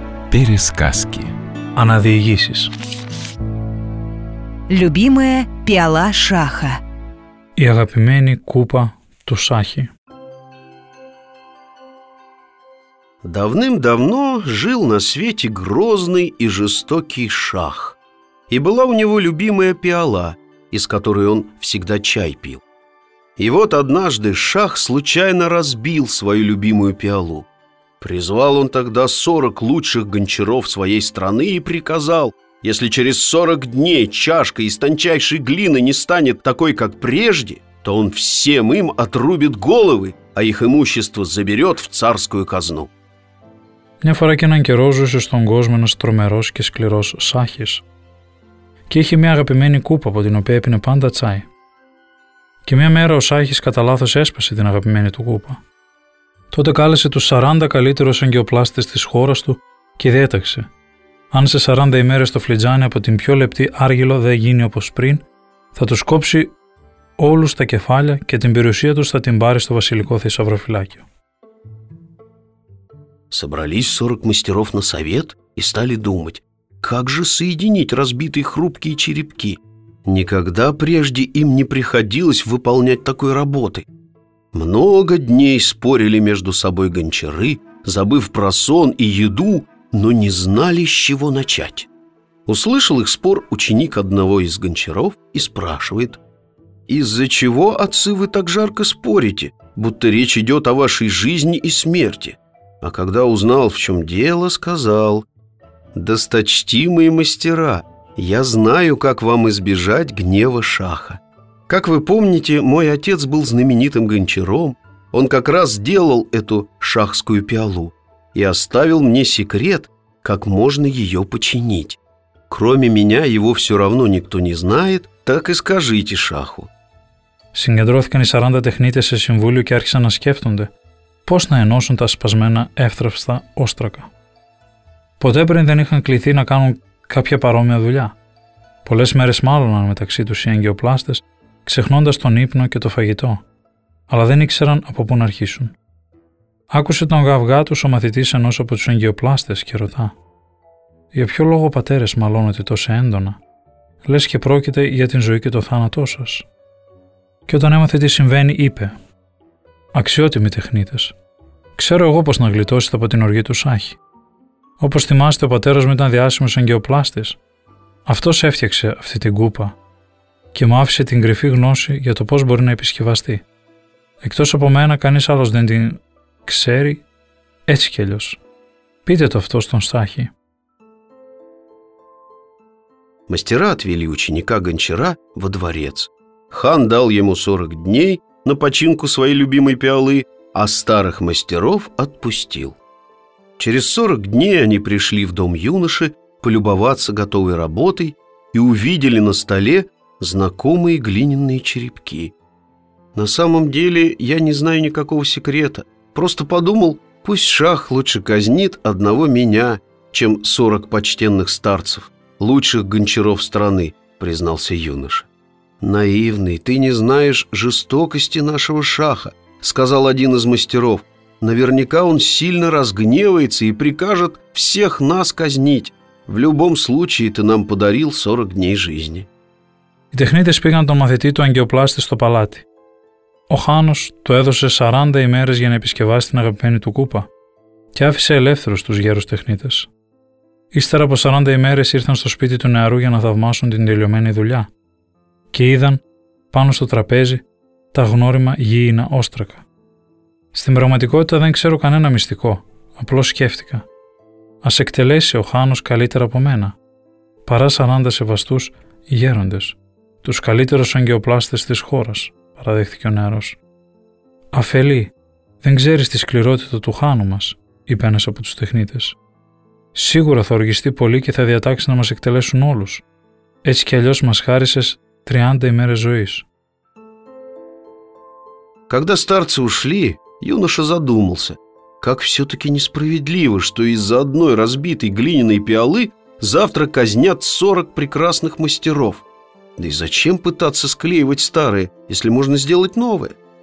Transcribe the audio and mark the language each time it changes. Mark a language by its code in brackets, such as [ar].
[ru] Пересказки. [el] Αναδιηγήσεις. [ru] Любимая пиала Шаха. [el] Η αγαπημένη κούπα του Σάχη. [ru] Давным-давно жил на свете грозный и жестокий шах. И была у него любимая пиала, из которой он всегда чай пил. И вот однажды шах случайно разбил свою любимую пиалу. Призвал он тогда 40 лучших гончаров своей страны и приказал: если через 40 дней чашка из тончайшей глины не станет такой, как прежде, то он всем им отрубит головы, а их имущество заберет в царскую казну. [el] Μια φορά και έναν καιρό ζούσε στον κόσμο ένας τρομερός και σκληρός σάχης και είχε μια αγαπημένη κούπα από την οποία έπινε πάντα τσάι. Και μια μέρα ο σάχης κατά λάθος έσπασε την αγαπημένη του κούπα. Τότε κάλεσε τους 40 καλύτερους αγγειοπλάστες της χώρας του και διέταξε: αν σε 40 ημέρες το φλιτζάνι από την πιο λεπτή άργυλο δεν γίνει όπως πριν, θα τους κόψει όλους τα κεφάλια και την περιουσία τους θα την πάρει στο βασιλικό θησαυροφυλάκιο. [ru] Собрались 40 мастеров на совет и стали думать, как же соединить разбитые хрупкие черепки. Никогда прежде им не приходилось выполнять такой работы. Много дней спорили между собой гончары, забыв про сон и еду, но не знали, с чего начать. Услышал их спор ученик одного из гончаров и спрашивает: «Из-за чего, отцы, вы так жарко спорите, будто речь идет о вашей жизни и смерти?» А когда узнал, в чем дело, сказал: «Досточтимые мастера, я знаю, как вам избежать гнева шаха. Как вы помните, мой отец был знаменитым гончаром. Он как раз делал эту шахскую пиалу и оставил мне секрет, как можно ее починить. Кроме меня его все равно никто не знает, так и скажите шаху». [el] Συγκεντρώθηκαν οι 40 τεχνίτες σε συμβούλιο και άρχισαν να σκέφτονται πώς να ενώσουν τα σπασμένα εύθραυστα όστρακα. Ποτέ πριν δεν είχαν κληθεί να κάνουν κάποια παρόμοια δουλειά. Πολλές μέρες μάλωναν μεταξύ τους οι αγγειοπλάστες, ξεχνώντας τον ύπνο και το φαγητό, αλλά δεν ήξεραν από πού να αρχίσουν. Άκουσε τον γαυγά τους ο μαθητής ενός από τους αγγειοπλάστες και ρωτά: «Για ποιο λόγο, πατέρες, μαλώνετε τόσο έντονα? Λες και πρόκειται για την ζωή και το θάνατό σας?» Και όταν έμαθε τι συμβαίνει, είπε: «Αξιότιμοι τεχνίτες, ξέρω εγώ πώς να γλιτώσετε από την οργή του Σάχη. Όπως θυμάστε, ο πατέρας μου ήταν διάσημος αγγειοπλάστης. Αυτός έφτιαξε αυτή την κούπα και μου άφησε την κρυφή γνώση για το πώς μπορεί να επισκευαστεί. Εκτός από μένα, κανείς άλλος δεν την ξέρει, έτσι κι αλλιώς. Πείτε το αυτό στον Σάχη». [ru] Μαστερά отвели ученика гончара во дворец. Хан дал ему 40 дней на починку своей любимой пиалы, а старых мастеров отпустил. Через 40 дней они пришли в дом юноши полюбоваться готовой работой и увидели на столе знакомые глиняные черепки. На самом деле я не знаю никакого секрета. Просто подумал, пусть шах лучше казнит одного меня, чем 40 почтенных старцев, лучших гончаров страны, признался юноша. Наивный, ты не знаешь жестокости нашего шаха, сказал один из мастеров. Наверняка он сильно разгневается и прикажет всех нас казнить. В любом случае ты нам подарил 40 дней жизни. [el] Οι τεχνίτες πήγαν τον μαθητή του αγκιοπλάστη στο παλάτι. Ο Χάνος του έδωσε 40 ημέρες για να επισκευάσει την αγαπημένη του κούπα και άφησε ελεύθερους τους γέρους τεχνίτες. Ύστερα από 40 ημέρες ήρθαν στο σπίτι του νεαρού για να θαυμάσουν την τελειωμένη δουλειά και είδαν πάνω στο τραπέζι τα γνώριμα γήινα όστρακα. Στην πραγματικότητα δεν ξέρω κανένα μυστικό, απλώς σκέφτηκα. Ας εκτελέσει ο Χάνος καλύτερα από μένα, παρά 40 σεβαστούς γέροντες. «Τους καλύτερους αγκαιοπλάστες της χώρας», παραδέχθηκε ο νεαρός. «Αφελή, δεν ξέρεις τη σκληρότητα του Χάνου μας», είπε ένας από τους τεχνίτες. «Σίγουρα θα οργιστεί πολύ και θα διατάξει να μας εκτελέσουν όλους. Έτσι κι αλλιώς μας χάρισες 30 ημέρες ζωής». [ru] Когда старцы ушли, юноша задумался, как все-таки несправедливо, что из-за одной разбитой глиняной пиалы завтра казнят 40 прекрасных мастеров. Да и зачем пытаться склеивать старые, если можно сделать новые?